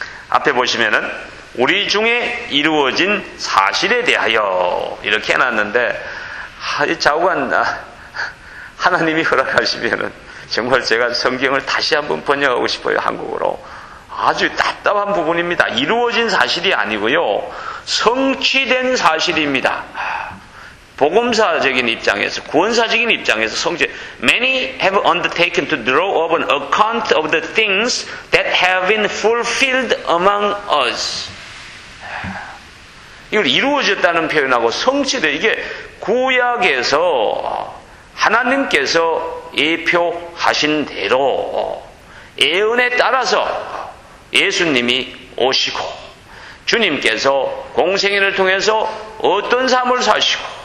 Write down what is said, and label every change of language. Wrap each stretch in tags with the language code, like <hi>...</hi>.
<ko>앞에 보시면은 우리 중에 이루어진 사실에 대하여 이렇게 해놨는데 좌우간다 하나님이 허락하시면은 정말 제가 성경을 다시 한번 번역하고 싶어요. 한국어로. 아주 답답한 부분입니다. 이루어진 사실이 아니고요. 성취된 사실입니다. 복음사적인 입장에서 구원사적인 입장에서 성취</ko> <en>Many have undertaken to draw up an account of the things that have been fulfilled among us.</en> <ko>이걸 이루어졌다는 표현하고 성취돼 이게 구약에서 하나님께서 예표하신 대로 예언에 따라서 예수님이 오시고 주님께서 공생애를 통해서 어떤 삶을 사시고</ko>